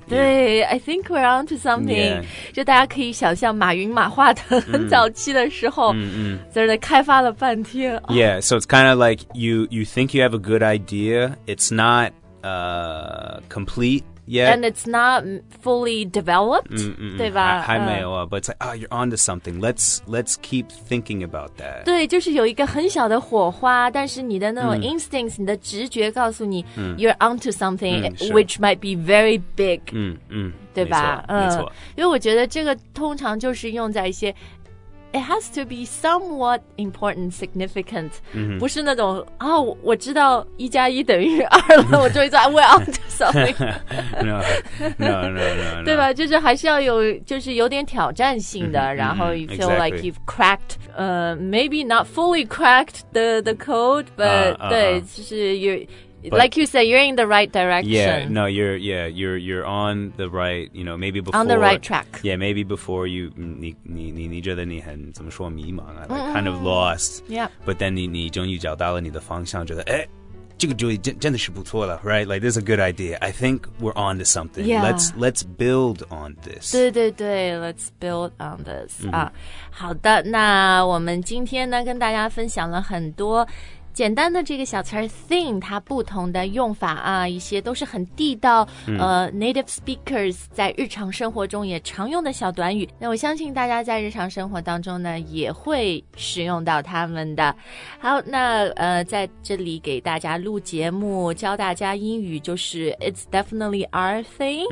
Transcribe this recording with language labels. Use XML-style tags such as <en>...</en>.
<zh>对、</zh> <en>I think we're on to something.、</en> <zh>就大家可以想象马云马化腾很早期的时候、在那开发了半天。</zh> <en>Yeah, so it's kind of like you think you have a good idea. It's not、complete yet. And it's not fully developed, mm-hmm.</en> <zh>对吧？还没有啊、</zh> <en>but it's like, oh, you're onto something. Let's keep thinking about that.</en> <zh>对，就是有一个很小的火花，但是你的那种 instincts,、mm. 你的直觉告诉你、mm.</zh> <en>you're onto something,、mm, which might be very big. 嗯嗯，</en> <zh>对吧？没错，没错。因为我觉得这个通常就是用在一些</zh> <en>It has to be somewhat important, significant.、 Mm-hmm.</en> <zh>不是那种、哦、我知道一加一等于二了，我就会说</zh> <en>we're on to something. No.</en> <zh>对吧？就是还是要有，就是有点挑战性的。 Mm-hmm. 然后</zh> <en>you feel、 exactly. like you've cracked, maybe not fully cracked the code, but</en> <zh>对，就是</zh> <en>But, like you said, you're in the right direction. Yeah, no, you're on the right, you know, maybe before... On the right track. Yeah, maybe before you...</en> <zh>你觉得你很怎么说迷茫啊,</zh> <en>like,</en> <zh>mm-hmm.</zh> <en>kind of lost. Yeah. But then</en> <zh>你终于找到了你的方向,觉得,诶,这个主意真的是不错了,</zh> <en>right? Like, this is a good idea. I think we're on to something. Yeah. Let's build on this.</en> <zh>对对对,</zh> <en>let's build on this. Mm-hmm.</en> <zh>好的,那我们今天呢,跟大家分享了很多简单的这个小词儿 thing 它不同的用法啊一些都是很地道、嗯、</zh> <en>native speakers</en> <zh>在日常生活中也常用的小短语那我相信大家在日常生活当中呢也会使用到它们的好那在这里给大家录节目教大家英语就是</zh> <en>it's definitely our thing、</en>